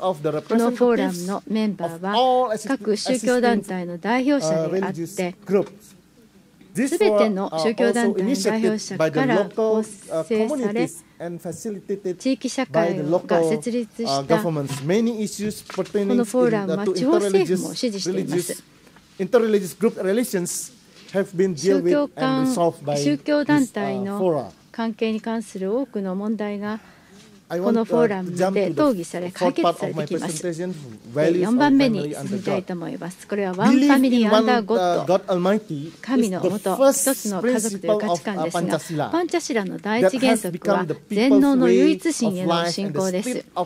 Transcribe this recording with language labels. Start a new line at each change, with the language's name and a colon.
Japanese: このフォーラムのメンバーは各宗教団体の代表者であって、すべての宗教団体の代表者から構成され、地域社会が設立したこのフォーラムは地方政府も支持しています。
English: Interreligious group relations have been dealt with and resolved by this fora.
Japanese: 宗教団体の関係に関する多くの問題がこのフォーラムで討議され解決されてきます。 4番目に進みたいと思います。これはワンファミリーアンダーゴッド、神のもと一つの家族という価値観ですが、パンチャシラの第一原則は全能の唯一神への信仰です。